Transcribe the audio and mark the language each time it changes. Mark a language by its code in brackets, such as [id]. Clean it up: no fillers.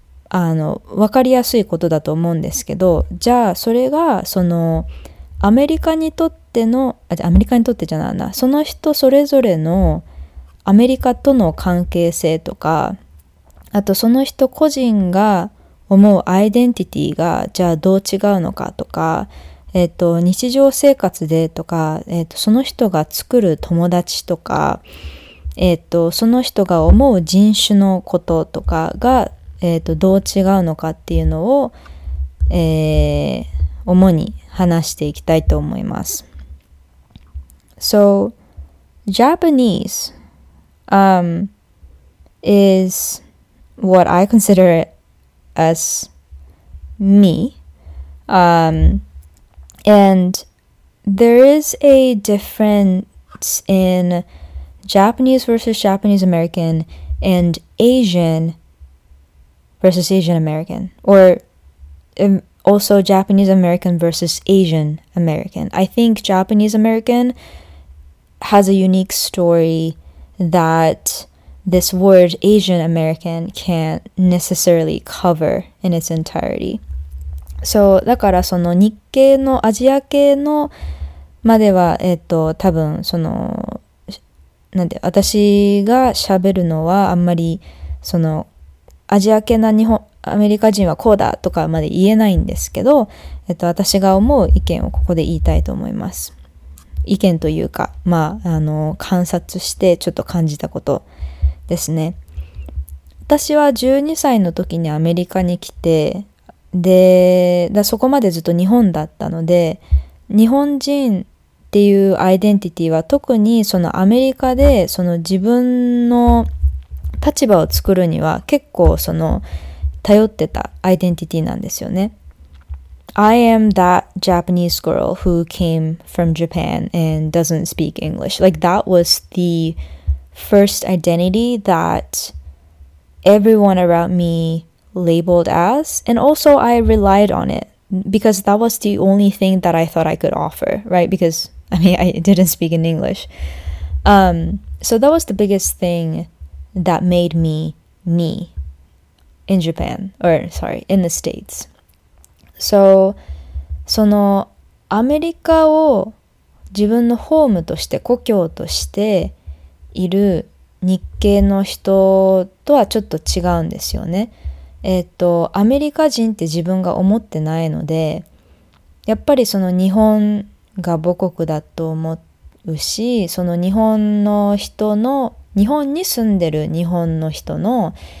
[ja] 分かりやすいことだと思うんですけど、じゃあそれがそのアメリカにとっての、アメリカにとってじゃないな、その人それぞれのアメリカとの関係性とか、あとその人個人が思うアイデンティティがじゃあどう違うのかとか、日常生活でとか、その人が作る友達とか、その人が思う人種のこととかが、どう違うのかっていうのを、主に話していきたいと思います。 [en] So, Japanese, is what I consider as me. And there is a difference in Japanese versus Japanese American and Asian versus Asian American, or also Japanese American versus Asian American. I think Japanese American has a unique story that this word Asian American can't necessarily cover in its entirety. [ja] So, だからその日系のアジア系のまでは、多分そのなんで私が喋るのはあんまりそのアジア系な日本アメリカ人はこうだとかまで言えないんですけど、私が思う意見をここで言いたいと思います。意見というか、まあ観察してちょっと感じたことですね。私は12歳の時にアメリカに来て、で、そこまでずっと日本だったので、日本人っていうアイデンティティは特にそのアメリカでその自分の立場を作るには結構その頼ってたアイデンティティなんですよね。 [en] I am that Japanese girl who came from Japan and doesn't speak English. Like that was the first identity that everyone around me labeled as, and also I relied on it because that was the only thing that I thought I could offer, right? Because I mean, I didn't speak in English. So that was the biggest thing that made me me in Japan, or sorry, in the States. [ja] So, そのアメリカを自分のホームとして故郷としている日系の人とはちょっと違うんですよね。アメリカ人って自分が思ってないので、やっぱりその日本が母国だと思うし、その日本の人の日本に住んでる日本の人の、